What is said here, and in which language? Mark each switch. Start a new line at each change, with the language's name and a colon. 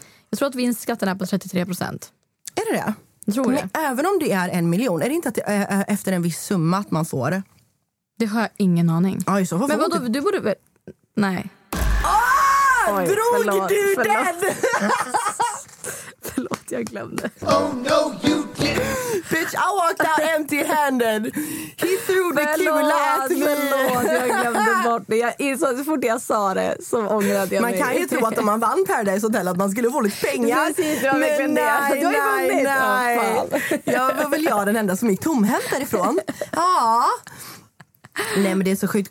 Swedish: Jag tror att vinstskatten är på 33%. Är det det? Tror det. Även om det är 1 miljon, är det inte att det är efter en viss summa att man får? Det har jag ingen aning. Aj, så men vadå, du borde väl... Nej. Ah! Oj, drog förlåt, du förlåt. Den? Förlåt, jag glömde.
English: Oh no, you didn't. Bitch, I walked out empty handed. He threw the kula at me.
Swedish: Förlåt, jag glömde bort det. Så fort jag sa det så ångrade jag mig. Man kan ju tro att om man vann Paradise Hotel att man skulle få lite pengar. Men nej. Jag var väl den enda som gick tomhänt därifrån. Ja. Nej, men det är så sjukt.